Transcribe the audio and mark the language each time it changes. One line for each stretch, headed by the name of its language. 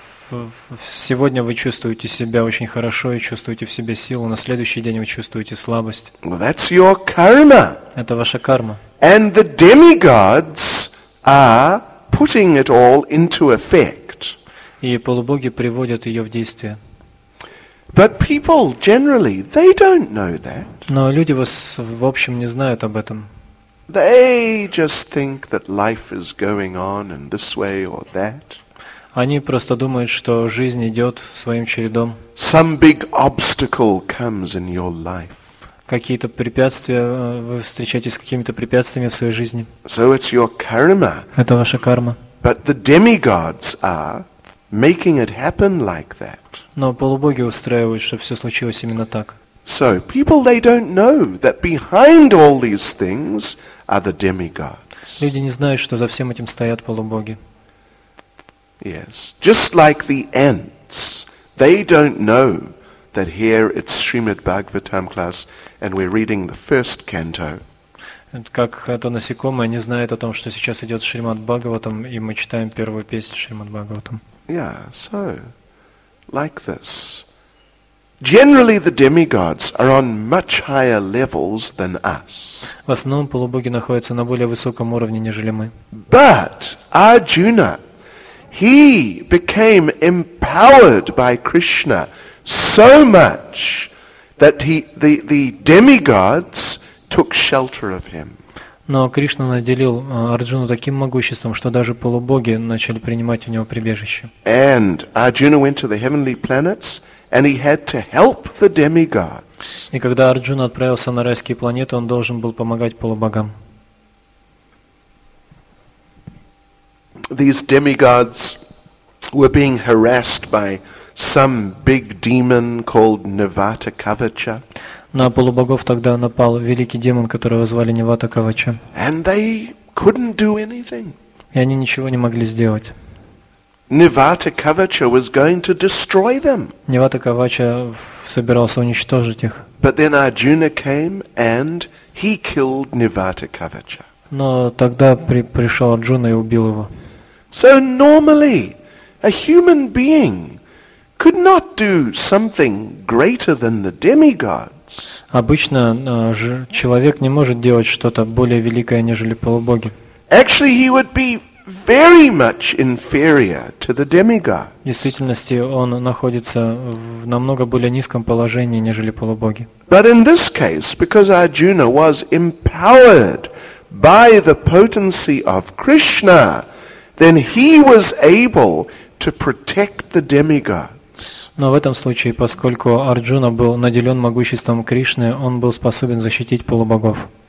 Russian: Сегодня вы чувствуете себя очень хорошо и чувствуете в себе силу, на следующий день вы чувствуете слабость.
English: That's your karma.
Russian: Это ваша карма.
English: And the demigods are putting it all into effect.
Russian: И полубоги приводят ее в действие.
English: But people generally, they don't know that.
Russian: Но люди в общем не знают об этом.
English: They just think that life is going on in this way or that.
Russian: Они просто думают, что жизнь идет своим чередом.
English: Some big obstacle comes in your life.
Russian: Какие-то препятствия, вы встречаетесь с какими-то препятствиями в своей жизни.
English: So it's your karma.
Russian: Это ваша карма.
English: But the demigods are making it happen like that.
Russian: Но полубоги устраивают, чтобы все случилось именно так.
English: So people, they don't know that behind all these things are the demigods.
Russian: Люди не знают, что за всем этим стоят полубоги.
English: Yes, just like the ants, they don't know that here it's Srimad Bhagavatam class and we're reading the first canto.
Russian: Как это насекомое не знает о том, что сейчас идет Шримад Бхагаватам, и мы читаем первую песню Шримад Бхагаватам.
English: Yeah, so, like this. Generally, the demigods are on much higher levels than us.
Russian: В основном полубоги находятся на более высоком уровне, нежели мы.
English: But Arjuna, he became empowered by Krishna so much that the demigods took shelter of him.
Russian: Но Кришна наделил Арджуну таким могуществом, что даже полубоги начали принимать у него прибежище.
English: And Arjuna went to the heavenly planets, and he had to help the demigods.
Russian: И когда Арджуна отправился на райские планеты, он должен был помогать полубогам.
English: These demigods were being harassed by some big demon called Nivatakavacha.
Russian: На полубогов тогда напал великий демон, которого звали Нивата Кавача.
English: And they couldn't do anything.
Russian: И они ничего не могли сделать.
English: Nivata Kavacha was going to destroy them.
Russian: Nivata Kavacha собирался уничтожить их.
English: But then Arjuna came and he killed Nivata Kavacha.
Russian: Но тогда пришел Арджуна и убил его.
English: So normally, a human being could not do something greater than the demigods.
Russian: Обычно человек не может делать что-то более великое, нежели полубоги.
English: Actually, he would be very much inferior to the demigods.
Russian: В действительности он находится в намного более низком положении, нежели полубоги.
English: But in this case, because Arjuna was empowered by the potency of Krishna, then he was able to protect the demigods.
Russian: Но в этом случае, поскольку Арджуна был наделен могуществом Кришны, он был способен защитить полубогов.